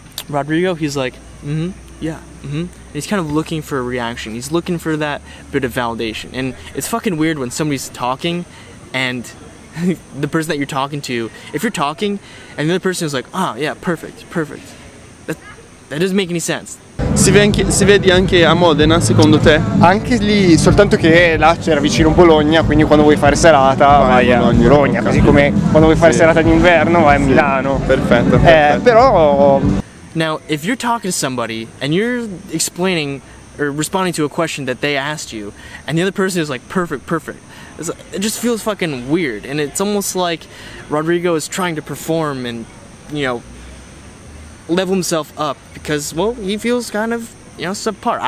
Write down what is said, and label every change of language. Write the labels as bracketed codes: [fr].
[en] Rodrigo, he's like, mm-hmm, yeah, mm-hmm. And he's kind of looking for a reaction. He's looking for that bit of validation. And it's fucking weird when somebody's talking and the person that you're talking to, if you're talking and the other person is like, ah, yeah, perfect, perfect. That doesn't make any sense. [it] Si vede anche a Modena, secondo te? Anche lì, soltanto che là c'era vicino Bologna, quindi quando vuoi fare serata vai a Bologna, Bologna così come quando vuoi fare sì. serata d'inverno vai a Milano. Sì. Perfetto, perfetto. Però... [en] Now, if you're talking to somebody and you're explaining or responding to a question that they asked you and the other person is like, perfect, perfect, it's like, it just feels fucking weird and it's almost like Rodrigo is trying to perform and, you know, level himself up because, well, he feels kind of, you know, subpar.